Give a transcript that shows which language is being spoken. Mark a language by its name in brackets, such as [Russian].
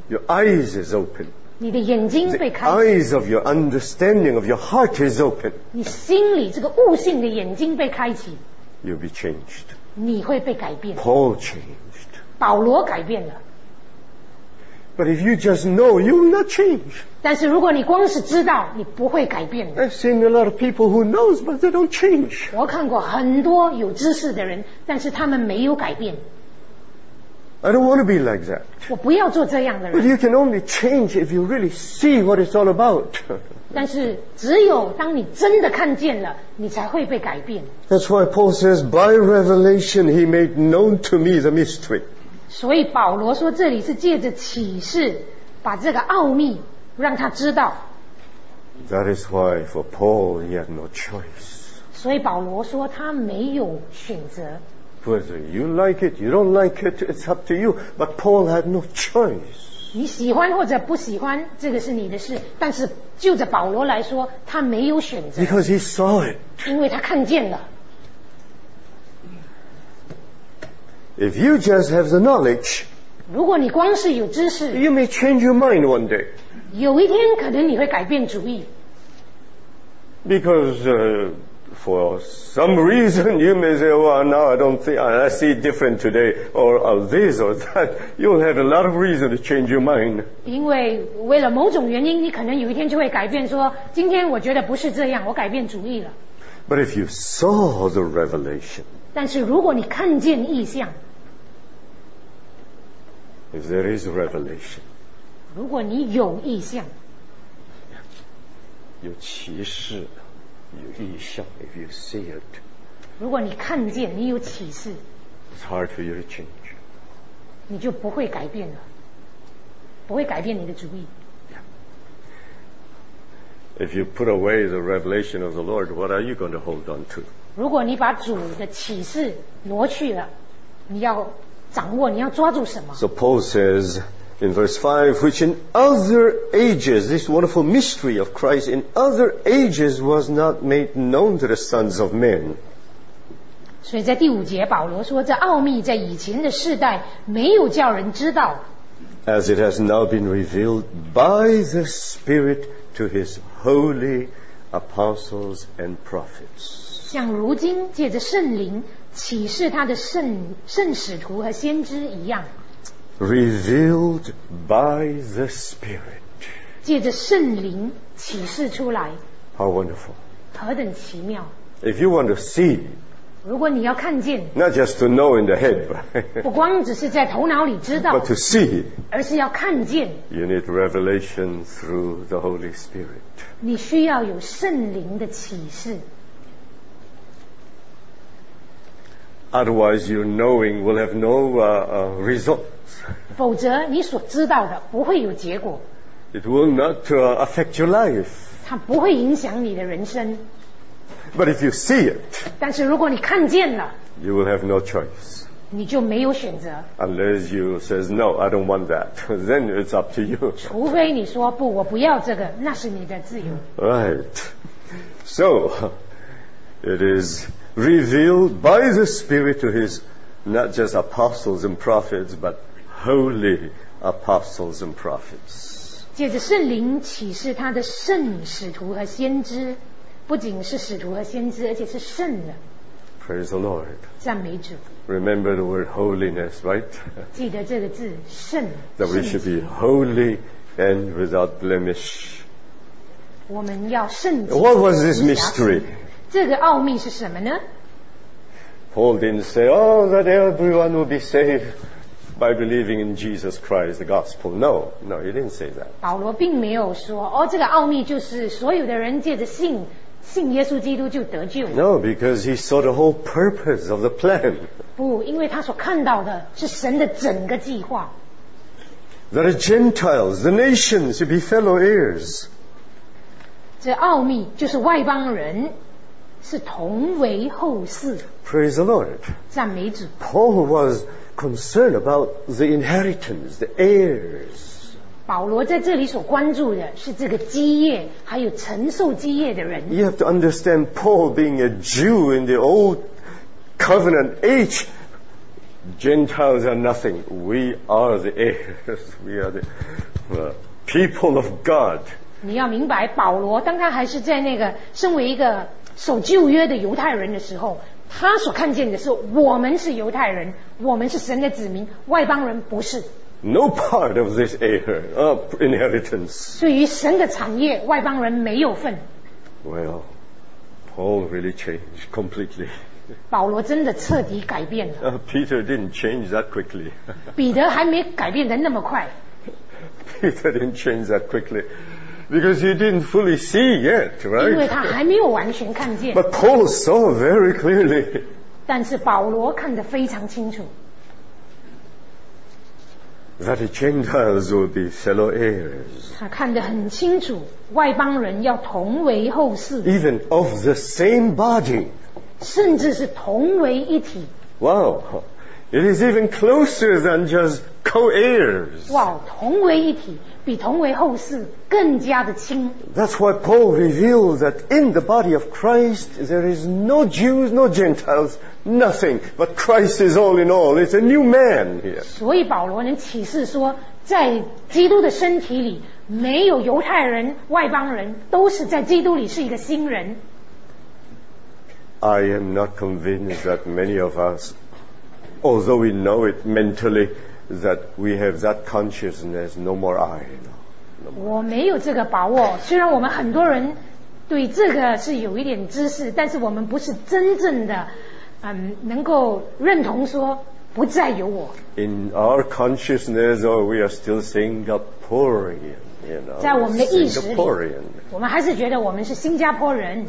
[English] your eyes is open, [Chinese] 你的眼睛被开， [English] the eyes of your understanding of your heart is open, [Chinese] 你心里这个悟性的眼睛被开启， [English] you'll be changed, [Chinese] 你会被改变。 [English] Paul changed, [Chinese] 保罗改变了。 [English] But if you just know, you will not change, [Chinese] 但是如果你光是知道，你不会改变的。 [English] I've seen a lot of people who knows, but they don't change. [Chinese] 我看过很多有知识的人，但是他们没有改变。 [English] I don't want to be like that. [Chinese] 我不要做这样的人。 [English] But you can only change if you really see what it's all about. [Chinese] 但是只有当你真的看见了，你才会被改变。 [English] That's why Paul says, By revelation he made known to me the mystery. [Chinese] 所以保罗说这里是借着启示把这个奥秘让他知道。 [English] That is why for Paul he had no choice. [Chinese] 所以保罗说他没有选择。 [English] Whether you like it, you don't like it, it's up to you. But Paul had no choice. [Chinese] 你喜欢或者不喜欢，这个是你的事。但是就着保罗来说，他没有选择。 [English] Because he saw it. [Chinese] 因为他看见了。 [English] If you just have the knowledge, [Chinese] 如果你光是有知识， [English] you may change your mind one day. [Chinese] 有一天可能你会改变主意。 [English] Because for some reason you may say, well, now I see it different today, or this or that. You'll have a lot of reason to change your mind. [Chinese] 因为为了某种原因，你可能有一天就会改变，说今天我觉得不是这样，我改变主意了。 [English] But if you saw the revelation, [Chinese] 但是如果你看见异象， [English] if there is revelation, [Chinese] 如果你有意象，有启示，有意象。 [English] If you see it, [Chinese] 如果你看见，你有启示。 [English] It's hard for you to change. [Chinese] 你就不会改变了，不会改变你的主意。 [English] Yeah. If you put away the revelation of the Lord, what are you going to hold on to? [Chinese] 如果你把主的启示挪去了，你要掌握，你要抓住什么？ [English] So Paul says. In verse 5, which in other ages, this wonderful mystery of Christ, in other ages was not made known to the sons of men. [Chinese] 所以在第五节保罗说，这奥秘在以前的世代没有叫人知道。 [English] As it has now been revealed by the Spirit to his holy apostles and prophets. [Chinese] 像如今借着圣灵启示他的圣使徒和先知一样。 [English] Revealed by the Spirit. [Chinese] 借着圣灵启示出来。 [English] How wonderful. [Chinese] 何等奇妙。 [English] If you want to see, [Chinese] 如果你要看见， [English] not just to know in the head, but [Chinese] 不光只是在头脑里知道， [English] but to see, [Chinese] 而是要看见。 [English] You need revelation through the Holy Spirit. [Chinese] 你需要有圣灵的启示。 [English] Otherwise, your knowing will have no result. [Chinese] 否则你所知道的不会有结果。 [English] It will not affect your life. [Chinese] 它不会影响你的人生。 [English] But if you see it, [Chinese] 但是如果你看见了， [English] you will have no choice. [Chinese] 你就没有选择。 [English] Unless you says no, I don't want that, then it's up to you. [Chinese] 除非你说不，我不要这个，那是你的自由。 [English] Right. So it is revealed by the Spirit to His not just apostles and prophets, but holy apostles and prophets. [Chinese] 借着圣灵启示他的圣使徒和先知，不仅是使徒和先知，而且是圣人。 [English] Praise the Lord. [Chinese] 赞美主。 [English] Remember the word holiness, right? [Chinese] 记得这个字，圣。 [English] That we should be holy and without blemish. [Chinese] 我们要圣洁。 [English] What was this mystery? [Chinese] 这个奥秘是什么呢？ [English] Paul didn't say, oh, that everyone will be saved by believing in Jesus Christ, the gospel. No, no, he didn't say that. [Chinese] 保罗并没有说，哦，这个奥秘就是所有的人借着信耶稣基督就得救。 [English] No, because he saw the whole purpose of the plan. [Chinese] 不，因为他所看到的是神的整个计划。 [English] That the Gentiles, the nations, should be fellow heirs. [Chinese] 这奥秘就是外邦人是同为后嗣。 [English] Praise the Lord. [Chinese] 赞美主。 [English] Paul was concerned about the inheritance, the heirs. [Chinese] 保罗在这里所关注的是这个基业，还有承受基业的人。 [English] You have to understand Paul being a Jew in the old covenant age. Gentiles are nothing. We are the heirs. We are the people of God. [Chinese] 你要明白，保罗当他还是在那个身为一个守旧约的犹太人的时候，他所看见的是我们是犹太人，我们是神的子民，外邦人不是。 [English] No part of this heir, inheritance. [Chinese] 对于神的产业，外邦人没有份。 [English] Well, Paul really changed completely. [Chinese] 保罗真的彻底改变了。 [English] Peter didn't change that quickly. [Chinese] 彼得还没改变的那么快。 [English] Peter didn't change that quickly. Because he didn't fully see yet, right? [Chinese] 因为他还没有完全看见。 [English] But Paul saw very clearly. [Chinese] 但是保罗看得非常清楚。 [English] That the Gentiles will be fellow heirs. [Chinese] 他看得很清楚，外邦人要同为后嗣。 [English] Even of the same body. [Chinese] 甚至是同为一体。 [English] Wow, it is even closer than just co-heirs. [Chinese] Wow, 同为一体。比同为后嗣更加的亲。 [English] That's why Paul revealed that in the body of Christ there is no Jews, no Gentiles, nothing. But Christ is all in all. It's a new man here. [Chinese] 所以保罗能启示说，在基督的身体里没有犹太人、外邦人，都是在基督里是一个新人。 [English] I am not convinced that many of us, although we know it mentally. That we have that consciousness, no more I. No, no more. [Chinese] 我没有这个把握。虽然我们很多人对这个是有一点知识，但是我们不是真正的，能够认同说不再有我。 [English] In our consciousness, or we are still Singaporean, you know. [Chinese] 在我们的意识里，我们还是觉得我们是新加坡人。